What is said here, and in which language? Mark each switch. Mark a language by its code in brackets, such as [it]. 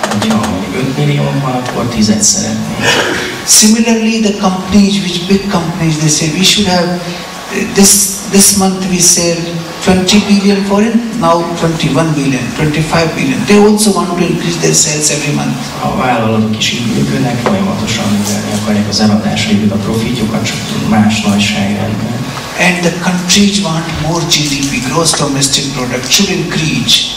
[hu] 5 millióban van, akkor 10-et szeretnénk. [en] Similarly, the companies, which big companies, they say, we should have, this month we sell 20 billion for it, now 21 billion, 25 billion. They also want to increase their sales every month. [hu] A vállalatok is így működnek, folyamatosan növelni akarják az eladásaikat, a profitjukat, csak más nagyságra. [en] And the countries want more GDP, gross domestic product, should increase.